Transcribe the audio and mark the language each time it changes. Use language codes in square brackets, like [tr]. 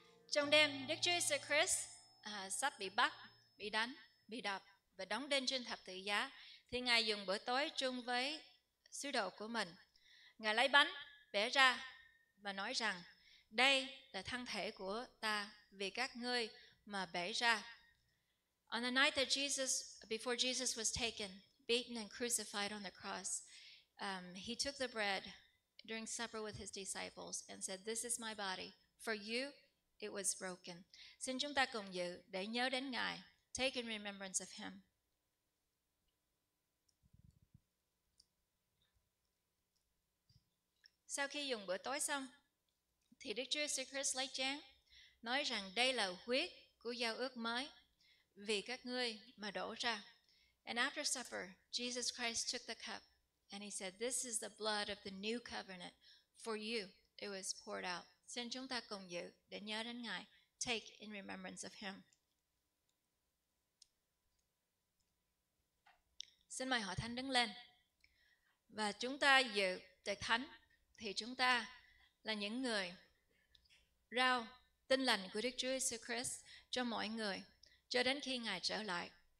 [vi] Trong đêm, Đức Chúa Jesus Christ sắp bị bắt, bị đánh, bị đập và đóng đinh trên thập tự giá, thì Ngài dùng bữa tối chung với sứ đồ của mình. Ngài lấy bánh, bẻ ra và nói rằng, đây là thân thể của ta vì các ngươi mà bẻ ra. [en] On the night that Jesus, before Jesus was taken, beaten and crucified on the cross, he took the bread during supper with his disciples and said, this is my body for you. It was broken. [vi] Xin chúng ta cùng dự để nhớ đến Ngài. [en] Take in remembrance of Him. [vi] Sau khi dùng bữa tối xong, thì Đức Chúa Jesus Christ lấy chén, nói rằng đây là huyết của giao ước mới vì các ngươi mà đổ ra. [en] And after supper, Jesus Christ took the cup and He said, this is the blood of the new covenant for you. It was poured out. [vi] Xin chúng ta cùng dự để nhớ đến Ngài. [en] Take in remembrance of Him. [vi] Xin mời Hội Thánh đứng lên. Và chúng ta dự tiệc thánh thì chúng ta là những người rao tin lành của Đức Chúa Jesus Christ cho mọi người cho đến khi Ngài trở lại.